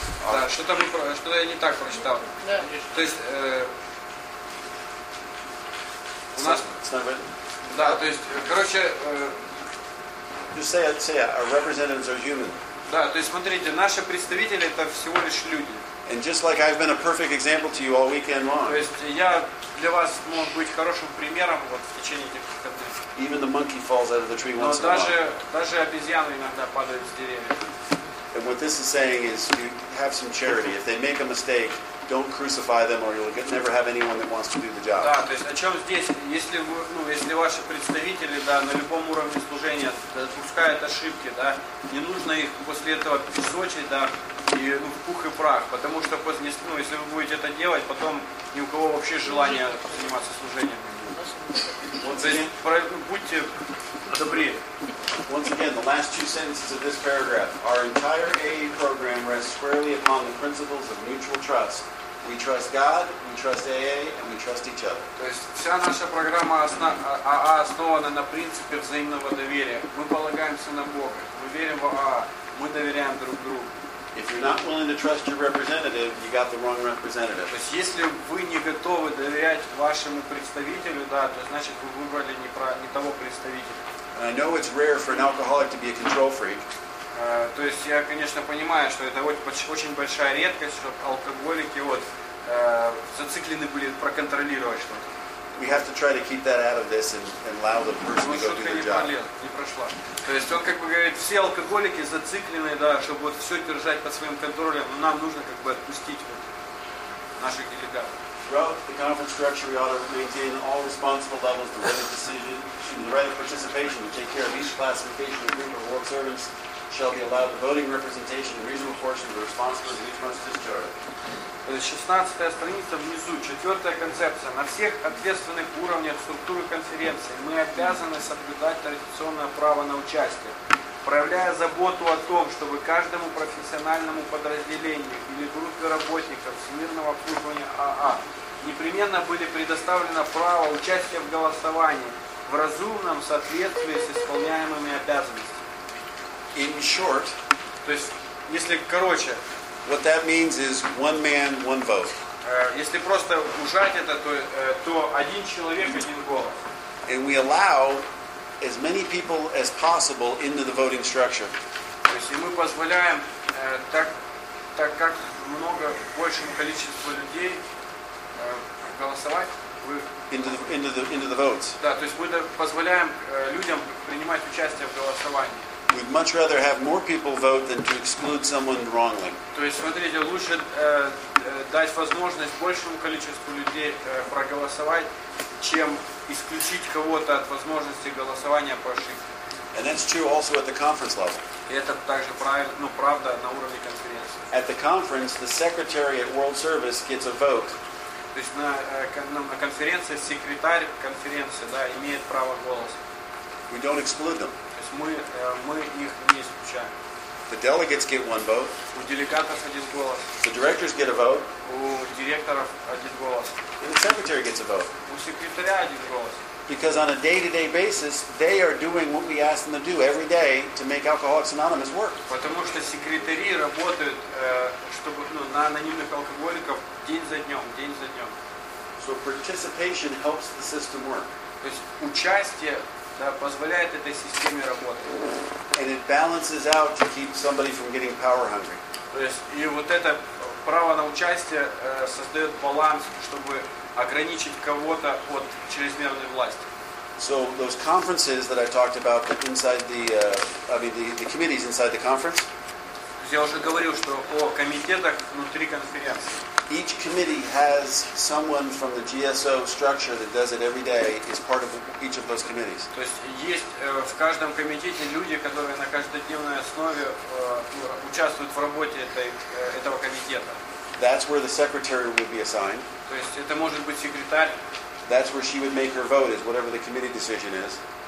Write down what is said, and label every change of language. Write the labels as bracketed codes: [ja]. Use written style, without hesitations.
[ru] Да, что-то я не так прочитал. Да. То есть у нас, да, то есть, короче, [en] say, our representatives are human. [ru] Да, то есть, смотрите, наши представители это всего лишь люди. [en] And just like I've been a perfect example to you all weekend long. [ru] То есть, я для вас мог быть хорошим примером вот в течение этих выходных. [en] Even the monkey falls out of the tree once in a while. [ru] Даже обезьяны иногда падают с деревьев. [en] And what this is saying is, you have some charity. If they make a mistake, don't crucify them, or you'll never have anyone that wants to do the job. [ru] Да, то есть о чем здесь? Если вы, ну, если ваши представители, да, на любом уровне служения допускают ошибки, да, не нужно их после этого песочить, да, и, ну, в пух и прах, потому что после, ну, если вы будете это делать, потом ни у кого вообще желания заниматься служением. Вот, будьте добры. [en] Once again, the last two sentences of this paragraph. Our entire AA program rests squarely upon the principles of mutual trust. We trust God, we trust AA, and we trust each other. [ru] То есть вся наша программа АА основана на принципе взаимного доверия. Мы полагаемся на Бога. Мы верим в АА. Мы доверяем друг другу. [en] If you're not willing to trust your representative, you got the wrong representative. [ru] То есть если вы не готовы доверять вашему представителю, да, то значит вы выбрали не того представителя. [en] And I know it's rare for an alcoholic to be a control freak. [ru] То есть я, конечно, понимаю, что это очень большая редкость, что алкоголики вот зациклены были проконтролировать что-то. [en] We have to try to keep that out of this and allow the person to go do their job. [ru] Не прошла. То есть он как бы говорит, все алкоголики зациклены, да, чтобы вот все держать под своим контролем, но нам нужно как бы отпустить вот наших делегатов. [en] Throughout the conference structure, we ought to maintain all responsible levels, the right of decision, the right of participation, to take care of each classification group of world servants, shall be allowed the voting representation, and reasonable portion of the responsibility of each must discharge. [ru] 16-я страница внизу, 4-я концепция. На всех ответственных уровнях структуры конференции мы обязаны соблюдать традиционное право на участие, проявляя заботу о том, чтобы каждому профессиональному подразделению или группе работников всемирного обслуживания АА непременно были предоставлено право участия в голосовании в разумном соответствии с исполняемыми обязанностями. [en] In short, [ru] то есть, если короче, [en] what that means is one man, one vote. [ru] Если просто ужать это, то один человек, один голос. [en] And we allow as many people as possible into the voting structure. [ru] То есть мы позволяем так как много большему количеству людей голосовать [en] into the votes. [ru] Да, то есть мы позволяем людям принимать участие в голосовании. [en] We'd much rather have more people vote than to exclude someone wrongly. [ru] То есть смотрите, лучше дать возможность большему количеству людей проголосовать, чем исключить кого-то от возможности голосования по ошибке. [en] And that's true also at the conference level. [ru] Это также правильно, правда на уровне конференции. [en] At the conference, the secretary at World Service gets a vote. [ru] То есть на конференции секретарь конференции, да, имеет право голоса. [en] We don't exclude them. [ru] То есть мы их не исключаем. [en] The delegates get one vote. [ru] У делегатов один голос. [en] The directors get a vote. [ru] У директоров один голос. [en] And the secretary gets a vote. [ru] У секретаря один голос. [en] Because on a day-to-day basis, they are doing what we ask them to do every day to make Alcoholics Anonymous work. [ru] Потому что секретари работают, чтобы на анонимных алкоголиков день за днем. [en] So participation helps the system work. [ru] То есть участие позволяет этой системе работать. [en] And it balances out to keep somebody from getting power hungry. [ru] То есть и вот это право на участие создает баланс, чтобы ограничить кого-то от чрезмерной власти. [en] So those conferences that I talked about inside the committees inside the conference. [ru] Я уже говорил, что о комитетах внутри конференции. [en] Each committee has someone from the GSO structure that does it every day is part of each of those committees. [ru] То есть есть в каждом комитете люди, которые на каждодневной основе участвуют в работе этого комитета. [en] That's where the secretary would be assigned. [ru] То есть это может быть секретарь. [en] That's where she would make her vote is whatever the committee decision is.